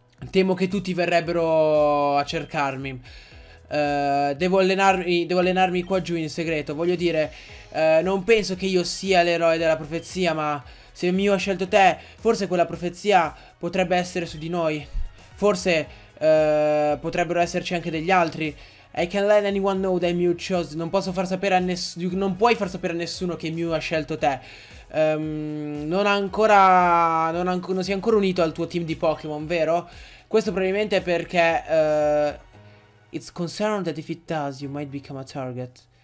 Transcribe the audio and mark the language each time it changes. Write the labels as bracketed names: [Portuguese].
[Italian] Temo che tutti verrebbero a cercarmi. Devo allenarmi qua giù in segreto. Voglio dire, non penso che io sia l'eroe della profezia, ma se Mew ha scelto te, forse quella profezia potrebbe essere su di noi. Forse potrebbero esserci anche degli altri. [English] I can't let anyone know that Mew chose. [Italian] Non puoi far sapere a nessuno che Mew ha scelto te. Non si è ancora unito al tuo team di Pokémon, vero? Questo probabilmente è perché [English] it's concerned that if it does, you might become a target.